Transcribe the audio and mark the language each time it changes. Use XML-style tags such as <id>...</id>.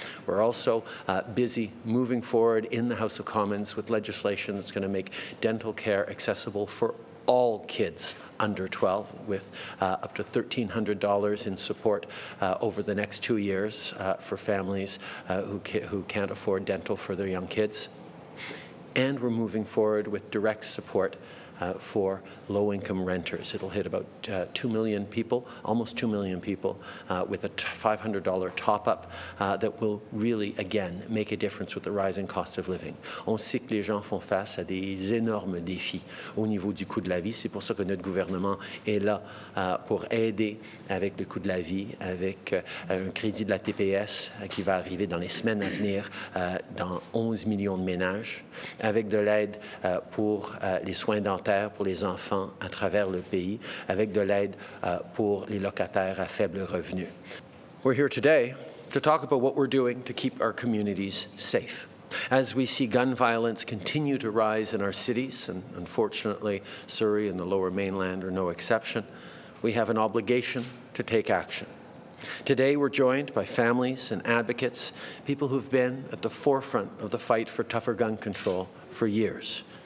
<en>We're also busy moving forward in the House of Commons with legislation that's going to make dental care accessible for all kids under 12, with up to $1,300 in support over the next 2 years for families who can't afford dental for their young kids. And we're moving forward with direct support for low-income renters. It'll hit about 2 million people, almost 2 million people, with a $500 top-up that will really, again, make a difference with the rising cost of living.</en> <fr>On sait que les gens font face à des énormes défis au niveau du coût de la vie. C'est pour ça que notre gouvernement est là pour aider avec le coût de la vie, avec un crédit de la TPS qui va arriver dans les semaines à venir dans 11 millions de ménages, avec de l'aide pour les soins dentaires pour les enfants à travers le pays, avec de l'aide pour les locataires à faible revenu.</fr> <en>We're here today to talk about what we're doing to keep our communities safe. As we see gun violence continue to rise in our cities, and unfortunately Surrey and the Lower Mainland are no exception, we have an obligation to take action. Today we're joined by families and advocates, people who've been at the forefront of the fight for tougher gun control for years.</en>